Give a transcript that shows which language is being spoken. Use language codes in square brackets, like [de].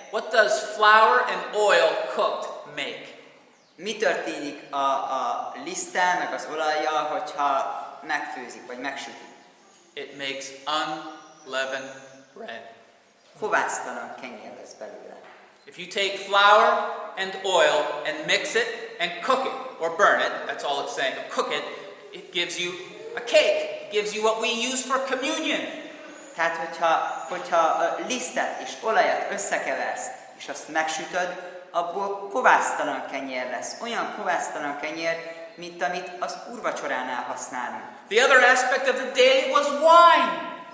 [en] What does flour and oil cooked make? [hu] Mi történik a liszttel, meg az olajjal, hogyha megfőzik, vagy megsütik? [en] It makes unleavened bread. [hu] Kovásztalan kenyér lesz belőle. [en] If you take flour and oil and mix it and cook it, or burn it, that's all it's saying, cook it, it gives you a cake. It gives you what we use for communion. [hu] Tehát, hogyha lisztet és olajat összekeversz, és azt megsütöd, abból kovásztalan kenyér lesz. Olyan kovásztalan kenyér, mint amit az úrvacsoránál használunk. [en] The other aspect of the daily was wine.